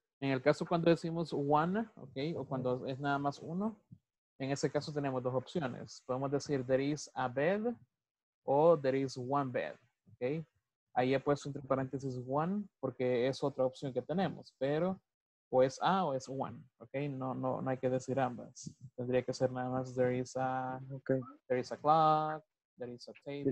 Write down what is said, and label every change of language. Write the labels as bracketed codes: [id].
[es] En el caso cuando decimos one, okay, o cuando es nada más uno, en ese caso tenemos dos opciones. Podemos decir [en] there is a bed [es] o [en] there is one bed, [es] okay. Ahí he puesto entre paréntesis one porque es otra opción que tenemos, pero o es a o es one, okay. No hay que decir ambas. Tendría que ser nada más there is a, [en] okay. There is a clock, there is a table.